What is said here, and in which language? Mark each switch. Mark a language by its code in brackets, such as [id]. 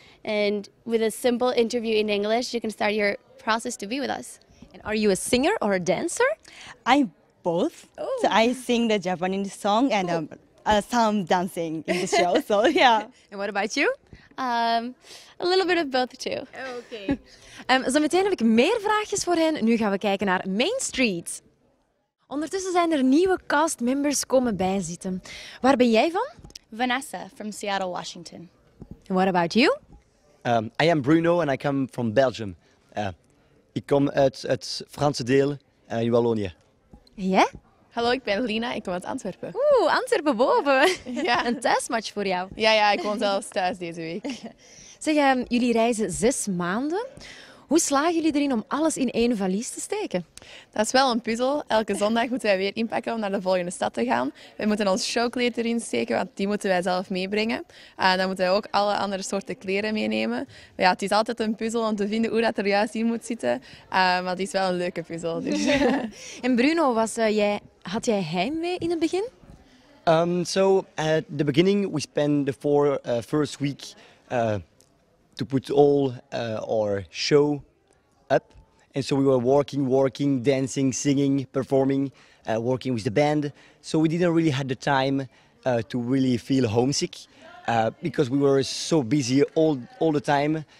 [en] And with a simple interview in English, you can start your process to be with us. And are you a singer or a dancer? I'm both. Ooh. So I sing the Japanese song and some dancing in the show, so yeah. And what about you? A little bit of both too. Okay. [nl] Zo meteen heb ik meer vraagjes voor hen. Nu gaan we kijken naar Main Street. Ondertussen zijn er nieuwe cast members komen bijzitten. Waar ben jij van? [en] Vanessa from Seattle, Washington. And what about you? I am Bruno and I come from Belgium. [nl] Ik kom uit het Franse deel in Wallonië. Ja? Yeah? Hallo, ik ben Lina. Ik kom uit Antwerpen. Oeh, Antwerpen boven. Ja. Een thuismatch voor jou. Ja, ja, ik woon zelfs thuis deze week. Zeg, jullie reizen 6 maanden. Hoe slagen jullie erin om alles in één valies te steken? Dat is wel een puzzel. Elke zondag moeten wij weer inpakken om naar de volgende stad te gaan. We moeten ons showkleed erin steken, want die moeten wij zelf meebrengen. Dan moeten wij ook alle andere soorten kleren meenemen. Maar ja, het is altijd een puzzel om te vinden hoe dat er juist in moet zitten. Maar het is wel een leuke puzzel. Dus. En Bruno, had jij heimwee in het begin? [en] So at the beginning we spent the first week to put all our show up. And so we were working, dancing, singing, performing, working with the band. So we didn't really have the time to really feel homesick because we were so busy all the time.